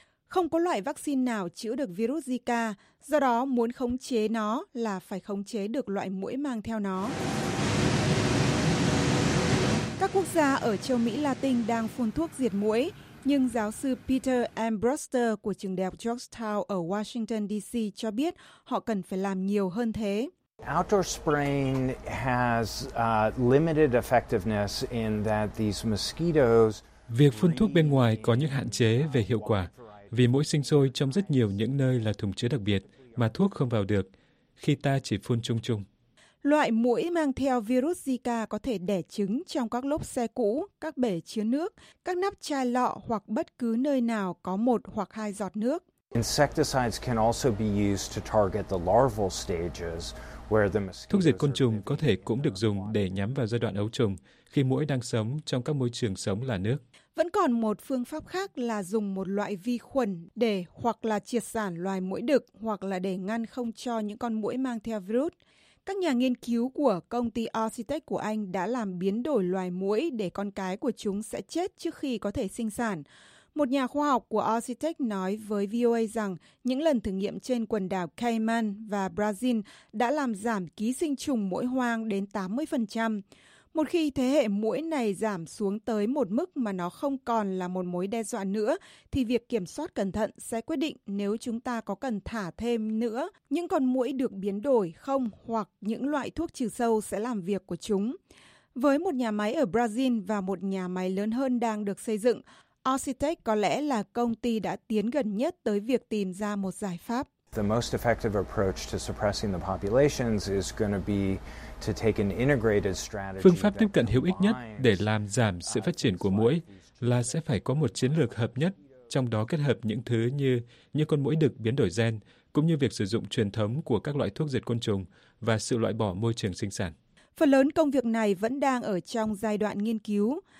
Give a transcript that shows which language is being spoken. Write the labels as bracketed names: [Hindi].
[Vietnamese] Không có loại vaccine nào chữa được virus Zika, do đó muốn khống chế nó là phải khống chế được loại muỗi mang theo nó. Các quốc gia ở châu Mỹ Latin đang phun thuốc diệt muỗi, nhưng giáo sư Peter M. Bruster của trường đại học Georgetown ở Washington, D.C. cho biết họ cần phải làm nhiều hơn thế. [English] Outdoor spraying has limited effectiveness in that these mosquitoes. [Vietnamese] Việc phun thuốc bên ngoài có những hạn chế về hiệu quả, vì muỗi sinh sôi trong rất nhiều những nơi là thùng chứa đặc biệt mà thuốc không vào được, khi ta chỉ phun chung chung. Loại muỗi mang theo virus Zika có thể đẻ trứng trong các lốp xe cũ, các bể chứa nước, các nắp chai lọ hoặc bất cứ nơi nào có một hoặc hai giọt nước. [English] Insecticides can also be used to target the larval stages where the mosquitoes. [Vietnamese] Thuốc diệt côn trùng có thể cũng được dùng để nhắm vào giai đoạn ấu trùng khi muỗi đang sống trong các môi trường sống là nước. Vẫn còn một phương pháp khác là dùng một loại vi khuẩn để hoặc là triệt sản loài muỗi đực hoặc là để ngăn không cho những con muỗi mang theo virus. Các nhà nghiên cứu của công ty Arcitech của Anh đã làm biến đổi loài muỗi để con cái của chúng sẽ chết trước khi có thể sinh sản. Một nhà khoa học của Arcitech nói với VOA rằng những lần thử nghiệm trên quần đảo Cayman và Brazil đã làm giảm ký sinh trùng muỗi hoang đến 80%. Một khi thế hệ muỗi này giảm xuống tới một mức mà nó không còn là một mối đe dọa nữa, thì việc kiểm soát cẩn thận sẽ quyết định nếu chúng ta có cần thả thêm nữa những con muỗi được biến đổi không hoặc những loại thuốc trừ sâu sẽ làm việc của chúng. Với một nhà máy ở Brazil và một nhà máy lớn hơn đang được xây dựng, Arcitech có lẽ là công ty đã tiến gần nhất tới việc tìm ra một giải pháp. [English] The most effective approach to suppressing the populations is going to be to take an integrated strategy. [Vietnamese] Phương pháp tiếp cận hữu ích nhất để làm giảm sự phát triển của muỗi là sẽ phải có một chiến lược hợp nhất, trong đó kết hợp những thứ như những con muỗi đực biến đổi gen, cũng như việc sử dụng truyền thống của các loại thuốc diệt côn trùng và sự loại bỏ môi trường sinh sản. Phần lớn công việc này vẫn đang ở trong giai đoạn nghiên cứu.